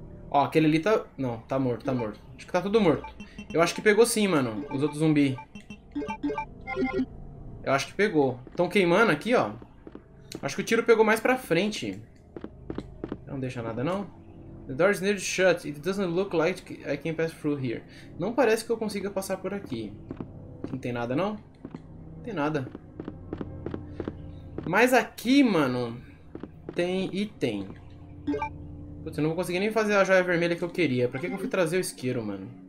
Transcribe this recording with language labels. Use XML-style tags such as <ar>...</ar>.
<pt>Ó, aquele ali tá. Não, tá morto, tá morto. Acho que tá tudo morto. Eu acho que pegou sim, mano. Os outros zumbi. Eu acho que pegou. Estão queimando aqui, ó. Acho que o tiro pegou mais pra frente. Não deixa nada, não.</pt> <en>The door is nearly shut. It doesn't look like I can pass through here.</en> <pt>Não parece que eu consiga passar por aqui. Não tem nada, não? Não tem nada. Mas aqui, mano, tem item. Putz, eu não vou conseguir nem fazer a joia vermelha que eu queria. Pra que que eu fui trazer o isqueiro, mano?</pt>